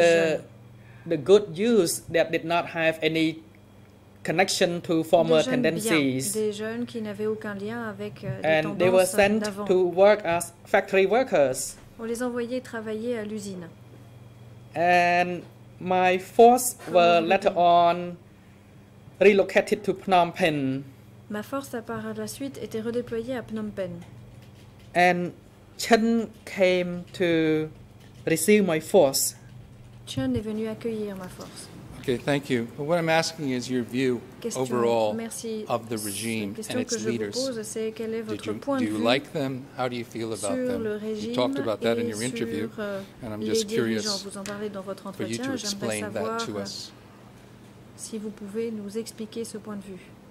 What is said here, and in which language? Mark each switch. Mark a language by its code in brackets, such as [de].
[en] jeunes. The good youth that did not have any connection to former tendencies. [fr] Des jeunes qui n'avaient aucun lien avec les tendances d'avant. [en] And they were sent to work as factory workers. [fr] On les envoyait travailler à l'usine. [en] And my force were later on relocated to Phnom Penh. [fr] Ma force a par la suite été redéployée à Phnom Penh. [en] And Chen came to receive my force. [fr] Chen est venu accueillir ma force. [en] Okay, thank you. But what I'm asking is your view overall of the regime and its leaders. Do you like them? How do you feel about them? You talked about that in your interview, and I'm just curious for you to explain that to us. [fr] Si vous pouvez nous expliquer ce point de vue.